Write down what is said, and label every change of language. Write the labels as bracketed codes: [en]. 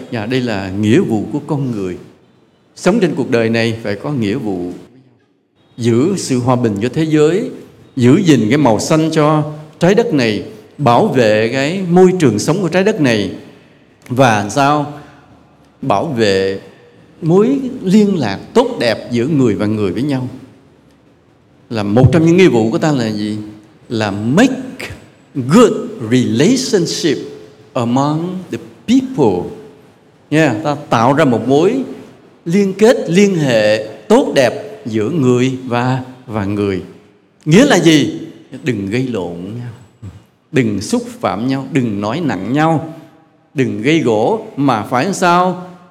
[vi] Dạ, đây là nghĩa vụ của con người. Sống trên cuộc đời này phải có nghĩa vụ giữ sự hòa bình cho thế giới, giữ gìn cái màu xanh cho trái đất này, bảo vệ cái môi trường sống của trái đất này, và sao bảo vệ mối liên lạc tốt đẹp giữa người và người với nhau. Là một trong những nghĩa vụ của ta là gì? Là [en] make good relationship among the people. [vi] Ta tạo ra một mối liên kết, liên hệ tốt đẹp giữa người và người. Nghĩa là gì? Đừng gây lộn nhau, đừng xúc phạm nhau, đừng nói nặng nhau, đừng gây gổ, mà phải sao?